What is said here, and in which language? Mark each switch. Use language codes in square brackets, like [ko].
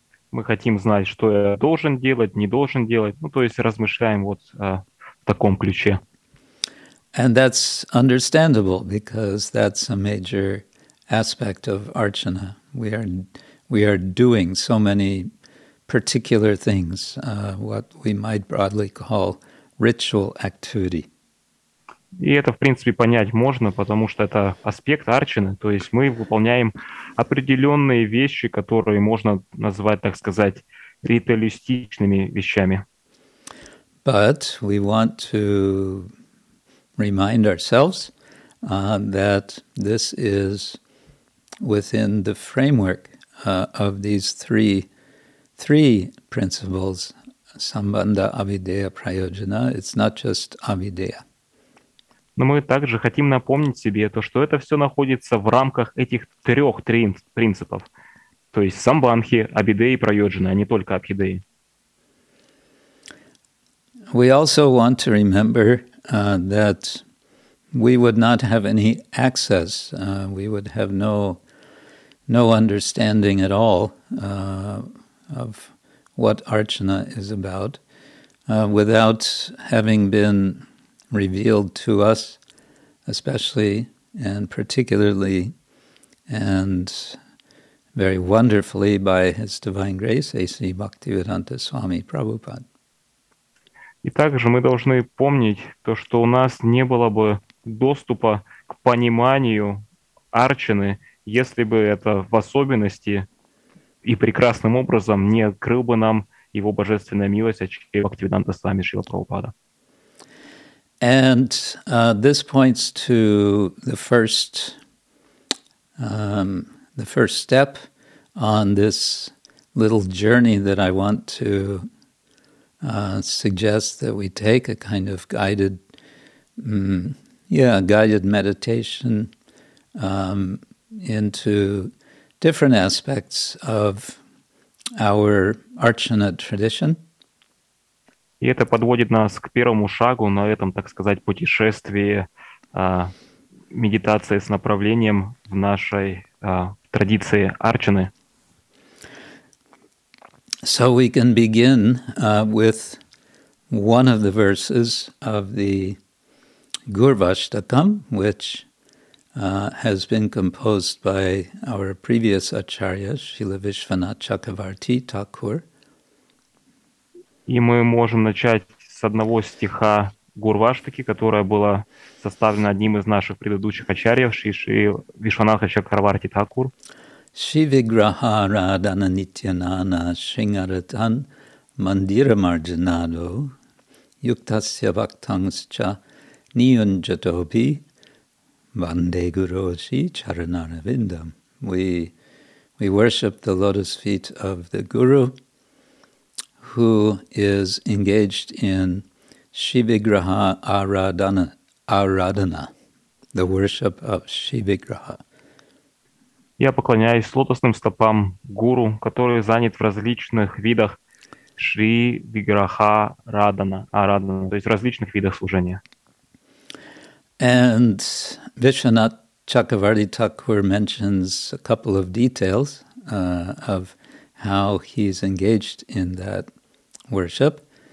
[ru] Мы хотим знать, что я должен делать, не должен делать. Ну, то есть размышляем вот в таком ключе. [en] And that's understandable because that's a major aspect of archana. We are doing so many particular things, what we might broadly call ritual activity. [ru] И это, в принципе, понять можно, потому что это аспект арчаны, то есть мы выполняем определенные вещи, которые можно назвать, так сказать, ритуалистичными вещами. [en] But we want to remind ourselves that this is within the framework of these three principles, sambandha, avideya, prayojana. It's not just avideya. [ru] Но мы также хотим напомнить себе то, что это все находится в рамках этих трех принципов, то есть самбанхи, абидеи, прайоджина, а не только абхидеи. [en] We also want to remember that we would not have any access, we would have no understanding at all of what archana is about without having been revealed to us, especially and particularly and very wonderfully by His Divine Grace, A.C. Bhaktivedanta Swami Prabhupada. [ru] И также мы должны помнить то, что у нас не было бы доступа к пониманию арчаны, если бы это в особенности и прекрасным образом не открыл бы нам Его Божественная Милость, Ачхи Бхактивиданта Свами Шрила Прабхупада. [en] And this points to the first step on this little journey that I want to suggest that we take, a kind of guided meditation into different aspects of our archana tradition. [ru] И это подводит нас к первому шагу на этом, так сказать, путешествии медитации с направлением в нашей традиции арчаны. [en] So we can begin with one of the verses of the Gurvashtakam, which has been composed by our previous acharya, Srila Vishvanatha Chakravarti Thakur. [ru] И мы можем начать с одного стиха Гурваштаки, которое было составлено одним из наших предыдущих ачарьев, Шри Вишванатха Чакраварти Такур. [sa] Шивиграха радана нитьянана шингаратан мандира марджинадо юктасья вактангсча ниюнджатопи ванде гуру си чаранаравиндам. [en] We worship the lotus feet of the Guru, who is engaged in Shivigraha Aradhana, the worship of Shivigraha. [ru] Я поклоняюсь лотосным стопам Гуру, который занят в различных видах Шивиграха Арадхана, то есть различных видах служения. [en] And Vishvanatha Chakravarti Thakur mentions a couple of details of how he's engaged in that worship.